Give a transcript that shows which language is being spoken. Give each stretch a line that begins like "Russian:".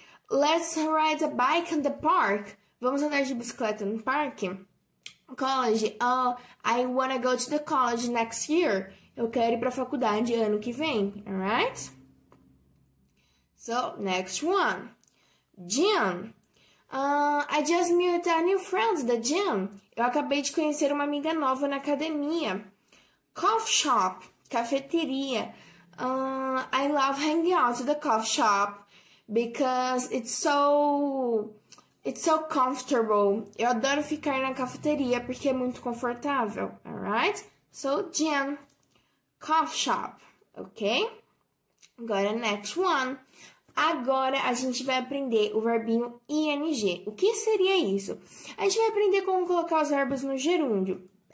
English: Let's ride a bike in the park.
Portuguese: Vamos andar de bicicleta no parque?
English: College. I wanna go to the college next year.
Portuguese: Eu quero ir para a faculdade ano que vem.
English: Alright? So, next one. Gym. I just met a new friend at the gym.
Portuguese: Eu acabei de conhecer uma amiga nova na academia.
English: Coffee shop. Cafeteria. I love hanging out at the coffee shop because it's so comfortable.
Portuguese: Eu adoro ficar na cafeteria porque é muito confortável.
English: Alright? So, gym. Coffee shop. Ok?
Portuguese: Agora,
English: next one.
Portuguese: Agora a gente vai aprender o verbinho ing. O que seria isso? A gente vai aprender como colocar os verbos no gerúndio.